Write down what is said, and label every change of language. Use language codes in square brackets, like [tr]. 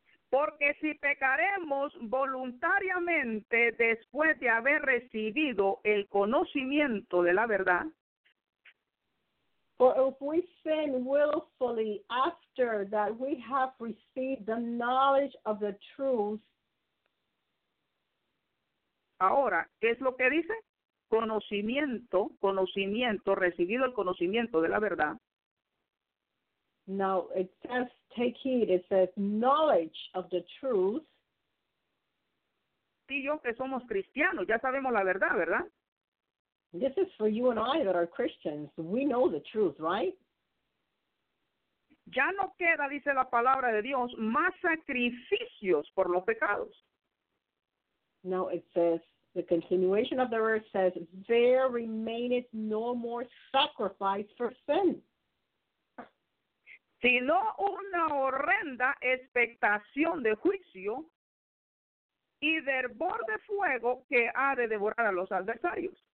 [es] porque si pecaremos voluntariamente después de haber recibido el conocimiento de la verdad. [en] For if we sin willfully after that we have received the knowledge of the truth. [es] Ahora, ¿qué es lo que dice? Conocimiento, recibido el conocimiento de la verdad. [en] Now, it says, take heed, it says, knowledge of the truth. [es] Tú y yo que somos cristianos, ya sabemos la verdad, ¿verdad? [en] This is for you and I that are Christians. We know the truth, right? [es] Ya no queda, dice la palabra de Dios, más sacrificios por los pecados. [en] Now, it says, the continuation of the verse says, there remaineth no more sacrifice for sin. [es] Sino una horrenda expectación de juicio y de hervor de fuego que ha de devorar a los adversarios.